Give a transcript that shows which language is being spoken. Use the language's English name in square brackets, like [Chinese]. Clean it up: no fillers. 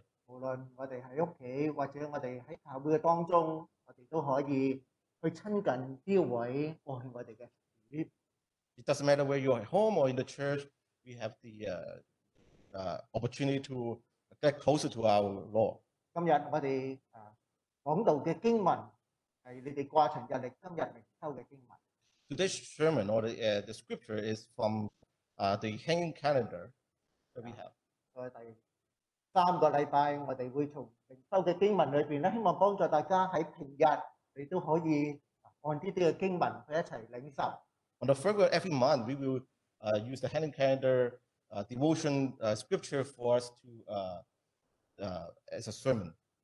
[English] It doesn't matter where you are, at home or in the church, we have the opportunity to get closer to our Lord. [Chinese] 今日我们讲道的经文是你们挂尘日历今日灵修的经文。 [English] Today's sermon or the scripture is from the hanging calendar that we have. [Chinese] 第三个礼拜我们会从灵修的经文里面，希望帮助大家在平日你都可以按这些经文一起领受。 [English] On the first of every month, we will use the hanging calendar devotion scripture for us to as a sermon.